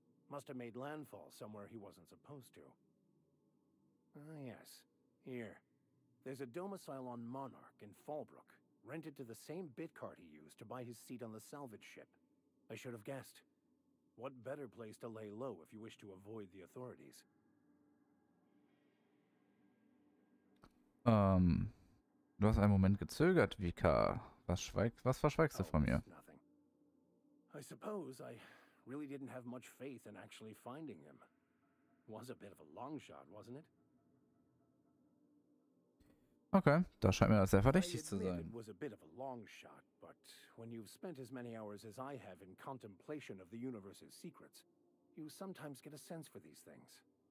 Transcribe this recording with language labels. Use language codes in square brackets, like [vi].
[en] Must have made landfall somewhere he wasn't supposed to. Ah, yes. Here. There's a domicile on Monarch in Fallbrook, rented to the same bit card he used to buy his seat on the salvage ship. I should have guessed. What better place to lay low if you wish to avoid the authorities? [de] Du hast einen Moment gezögert, VK. Was verschweigst du von mir? [en] I suppose I really didn't have much faith in actually finding him. Was a bit of a long shot, wasn't it? [de] Okay, da scheint mir das sehr verdächtig zu sein. [en] It was a bit of a long shot, but when you've spent as many hours as I have in contemplation of the universe's secrets, you sometimes get a sense for these things.